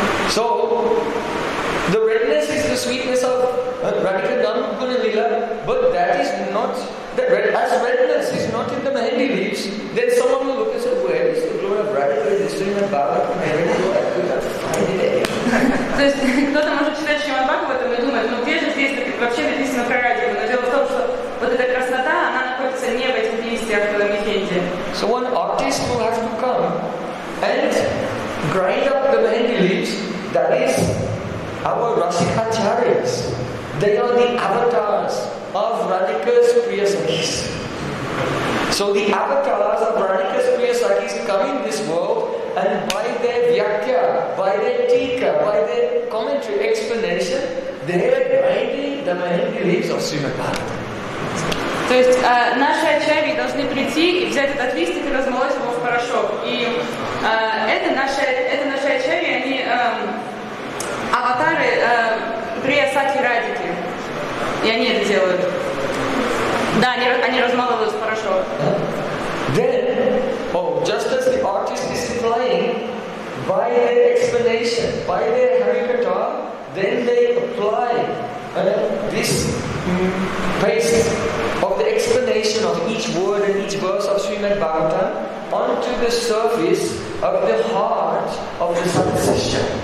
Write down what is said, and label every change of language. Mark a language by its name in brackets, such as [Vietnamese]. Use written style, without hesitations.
[English] So, the redness is the sweetness of Radhika Nama Guna Lila, but that is not, the red, as redness is not in the mahindi leaves, then someone will look and say, where is the glory of Radhika in the stream of Bhagavatam? And then go, I could have to find it anyway. [Russian] То есть кто-то может читать Шримад Бхагаватам и думать, ну где же здесь вообще написано про Радхику? Но дело в том, что вот эта краснота, она находится не в этих листьях, в Мехенди. [English] So one artist will have to come and grind up the mahindi leaves, that is our Rasikacharyas. They are the avatars of Radhika's Priya Sakhis. So the avatars of Radhika's Priya Sakhis come in this world and by their vyakya, by their tika, by their commentary, explanation, they are grinding the mahindi leaves of Srimad Bhagavatam. [Russian] То есть наши ачарьи должны прийти и взять этот листик и размолоть его в порошок. И это наши ачарьи, они аватары Прия Сакхи Радхики. И они это делают. Да, они размалывают в порошок. [English] Then, just as the artist is applying, by their explanation, by their harikata, then they apply this paste of the explanation of each word and each verse of Srimad Bhagavatam onto the surface of the heart of the satsasya.